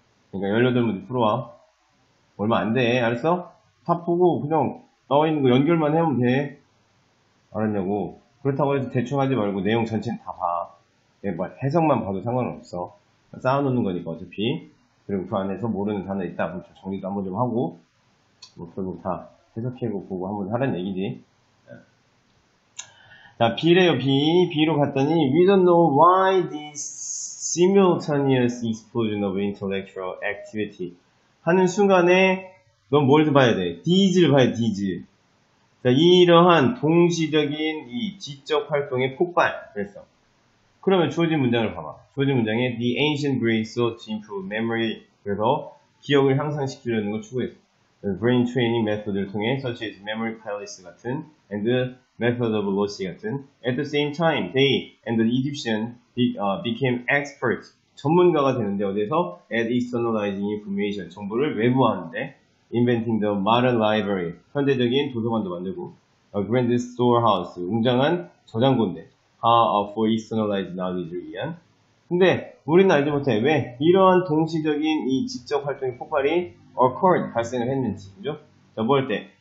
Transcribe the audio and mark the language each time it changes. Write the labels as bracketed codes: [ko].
[ko] 그러니까 18문제 풀어와. 얼마 안 돼, 알았어? 탑 보고 그냥 나와 있는 거 연결만 해면 돼. 알았냐고. 그렇다고 해서 대충 하지 말고 내용 전체는 다 봐. 해석만 봐도 상관없어. 쌓아놓는 거니까 어차피. 그리고 그 안에서 모르는 단어 있다. 정리도 한번 좀 하고. 뭐, 결국 다 해석해보고 한번 하란 얘기지. 자, B래요, B. B로 갔더니, [en] We don't know why this simultaneous explosion of intellectual activity. [ko] 하는 순간에, 넌 뭘 봐야 돼? These를 봐야 돼, These. 자, 이러한 동시적인 이 지적 활동의 폭발. 그랬어. 그러면 주어진 문장을 봐봐. 주어진 문장에, [en] The ancient Greeks sought to improve memory. [ko] 그래서, 기억을 향상시키려는 걸 추구했어. [en] Brain training method를 통해, such as memory palace 같은, and method of loci 같은. At the same time, they and the Egyptian became experts. [ko] 전문가가 되는데, 어디서? [en] At externalizing information. [ko] 정보를 외부화하는데. [en] Inventing the modern library. [ko] 현대적인 도서관도 만들고. [en] A grand storehouse. [ko] 웅장한 저장고인데. [en] For externalized knowledge를 위한. [ko] 근데, 우리는 알지 못해. 왜? 이러한 동시적인 이 지적 활동의 폭발이 [en] occurred, [ko] 발생을 했는지. 그죠? 자, 뭘 때?